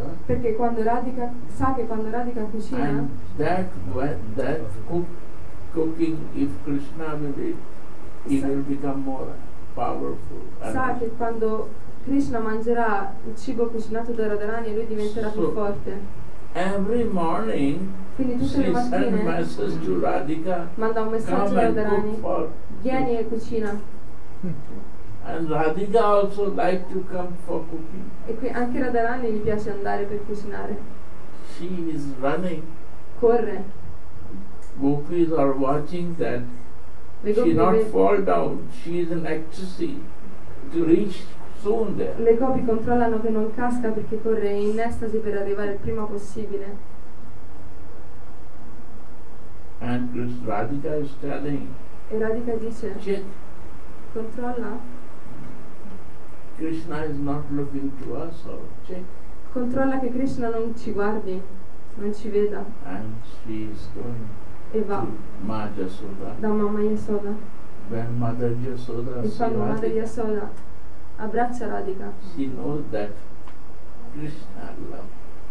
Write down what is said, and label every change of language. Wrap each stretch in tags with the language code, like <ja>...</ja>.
<it>perché quando Radhika sa che quando Radhika cucina,</it> <en>and that cooking, if Krishna will eat, he will become more powerful.</en> <it>Sa che quando Krishna mangerà il cibo cucinato da Radharani, lui diventerà più forte.</it> <en>Every morning she sends message to Radhika,</en> <it>manda un messaggio</it> <en>come</en> <it>Radharani, vieni e cucina.</it> <en>And Radhika also like to come for cooking.</en> <it>E qui anche Radharani gli piace andare per cucinare.</it> <en>She is running.</en> <it>Corre.</it> <en>Gopis are watching that. She not fall down. She is in ecstasy to reach.</en> <it>Le gopi controllano che non casca perché corre in estasi per arrivare il prima possibile.</it> <en>And Radhika is telling,</en> <it>e Radhika dice</it> <en>Chit,</en> <it>controlla.</it> <en>Krishna is not looking to us, so Chit,</en> <it>controlla che Krishna non ci guardi, non ci veda.</it> <en>And she is going</en> <it>e va</it> <en>Yasoda.</en> <it>Da mamma Yasoda.</it> <en>When mother Yasoda</en> <it>e quando madre Yasoda abbraccia Radhika.</it> <en>She knows that Krishna loves.</en>